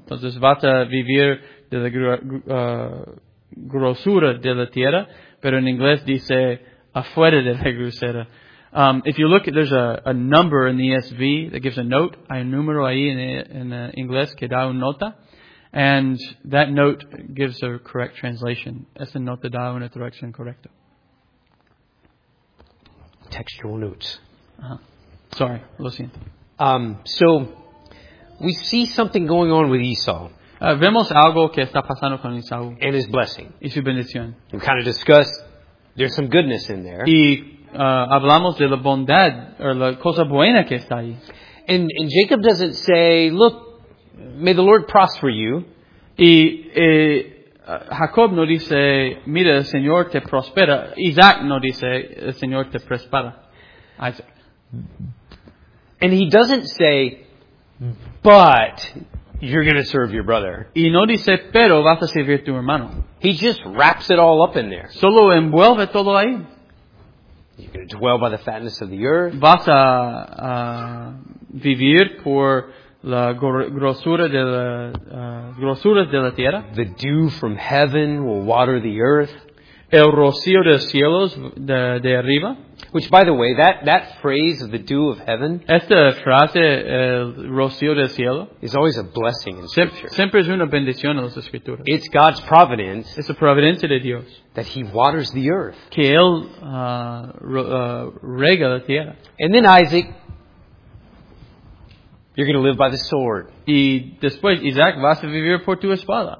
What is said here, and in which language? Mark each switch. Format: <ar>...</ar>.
<es>Entonces vas a vivir de la grosura de la tierra, pero en inglés dice afuera de la grosura.</es> <en>If you look, there's a number in the ESV that gives a note.</en> <es>Hay un número ahí en inglés que da una nota.</es> <en>And that note gives a correct translation.</en> <es>Esa nota da una traducción correcta.</es> <en>Textual notes. Uh-huh. Sorry,</en> <es>lo siento.</es> <en>So, we see something going on with Esau.</en> <es>Vemos algo que está pasando con Esau.</es> <en>And his blessing.</en> <es>Y su bendición.</es> <en>We kind of discussed, there's some goodness in there.</en> <es>Y hablamos de la bondad, or la cosa buena que está ahí.</es> <en>And Jacob doesn't say, look, may the Lord prosper you.</en> <es>Y Jacob no dice, mira, el Señor te prospera. Isaac no dice, el Señor te prospera. Isaac.</es> <en>And he doesn't say, but you're going to serve your brother.</en> <es>Y no dice, pero vas a servir tu hermano.</es> <en>He just wraps it all up in there.</en> <es>Solo envuelve todo ahí.</es> <en>You're going to dwell by the fatness of the earth.</en> <es>Vas a vivir por la grosura de la grosura de la tierra.</es> <en>The dew from heaven will water the earth.</en> <es>El rocío de cielos de arriba.</es> <en>Which, by the way, that phrase of the dew of heaven.</en> <es>Esta frase, el rocío del cielo,</es> <en>is always a blessing in Scripture.</en> <es>Siempre es una bendición en las Escrituras.</es> <en>It's God's providence.</en> <es>Es la providencia de Dios.</es> <en>That He waters the earth.</en> <es>Que él rega la tierra.</es> <en>And then Isaac, you're going to live by the sword.</en> <es>Y después Isaac vas a vivir por tu espada.</es>